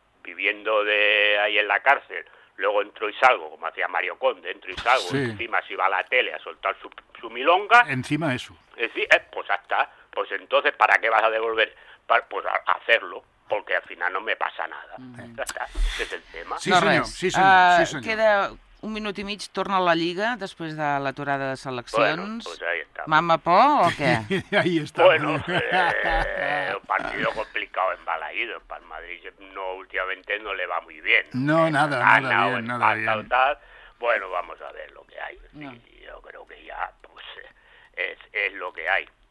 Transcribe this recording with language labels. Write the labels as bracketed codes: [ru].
[es] Viviendo de ahí en la cárcel, luego entro y salgo, como hacía Mario Conde, entro y salgo, sí. Y encima si va a la tele a soltar su milonga... Encima eso. Es decir, pues hasta, pues entonces, ¿para qué vas a devolver? Pues a hacerlo, porque al final no me pasa nada. Ese es el tema. Sí, señor. Sí, señor. [ca] Queda un minut i mig, torna a la Lliga, després de l'aturada de seleccions. [es] Bueno, pues ahí está. [ca] Mama por, o què? [es] Ahí está. Bueno, un partido complicado en Balaído. Para el Madrid no, últimamente no le va muy bien. No, nada, nada bien, nada bien. Bueno, vamos a ver lo que hay. Sí, no. Yo creo que ya, pues, es lo que hay.